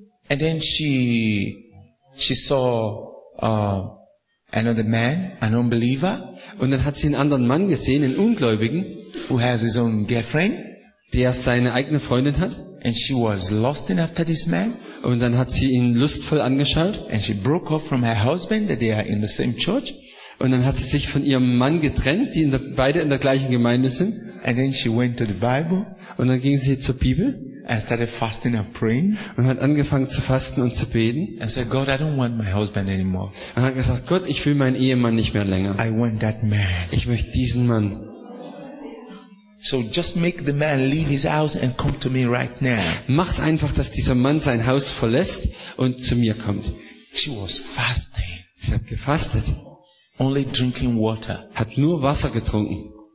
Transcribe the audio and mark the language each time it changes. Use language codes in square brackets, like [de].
[en] And then she saw another man, an unbeliever. [de] Und dann hat sie einen anderen Mann gesehen, einen Ungläubigen, [en] who has his own girlfriend, [de] der seine eigene Freundin hat. [en] And she was lusting after this man. [de] Und dann hat sie ihn lustvoll angeschaut. [en] And she broke off from her husband, that they are in the same church. [de] Und dann hat sie sich von ihrem Mann getrennt, die beide in der gleichen Gemeinde sind. [en] And then she went to the Bible. [de] Und dann ging sie zur Bibel. [en] And started fasting and praying. [de] Und hat angefangen zu fasten und zu beten. [en] And said, God, I don't want my husband anymore. [de] Und hat gesagt, Gott, ich will meinen Ehemann nicht mehr länger. [en] I want that man. [de] Ich möchte diesen Mann. [en] So just make the man leave his house and come to me right now. [de] Mach's einfach, dass dieser Mann sein Haus verlässt und zu mir kommt. [en] She was fasting. [de] Sie hat gefastet. [en] Only drinking water. [de] Hat nur Wasser getrunken.